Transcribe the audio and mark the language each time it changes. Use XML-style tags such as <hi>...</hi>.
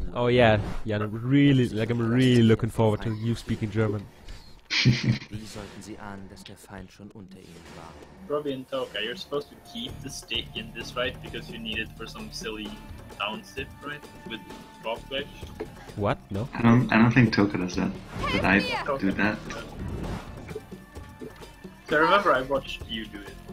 <en>Oh yeah, yeah, I'm really, like, I'm really looking forward to you speaking German.</en> <de>Wie sollten sie ahnen, dass der Feind schon unter ihnen war?</de> <en>Robin Toka, you're supposed to keep the stick in this fight because you need it for some silly downsip, right? With Rockfish? What? No? I don't think Toka does that. But I do that. So I remember I watched you do it.</en>